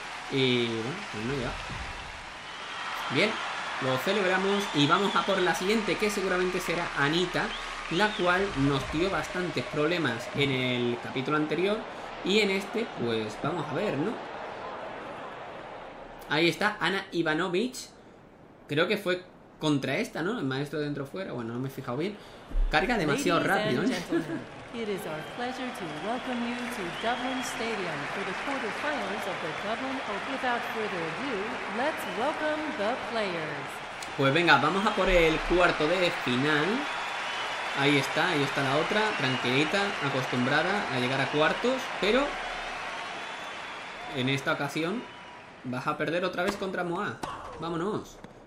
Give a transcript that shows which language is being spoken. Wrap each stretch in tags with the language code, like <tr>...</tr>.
<es>Y bueno, pues no llega. Bien, lo celebramos y vamos a por la siguiente, que seguramente será Anita, la cual nos dio bastantes problemas en el capítulo anterior. Y en este, pues vamos a ver, ¿no? Ahí está, Ana Ivanovich. Creo que fue contra esta, ¿no? El maestro dentro fuera. Bueno, no me he fijado bien. Carga demasiado rápido, ¿eh?</es> <en>It is our pleasure to welcome you to Dublin Stadium for the quarterfinals of the Dublin Open. Without further ado, let's welcome the players.</en> <es>Pues venga, vamos a por el cuarto de final. Ahí está la otra, tranquilita, acostumbrada a llegar a cuartos, pero en esta ocasión vas a perder otra vez contra Moa. Vámonos.</es>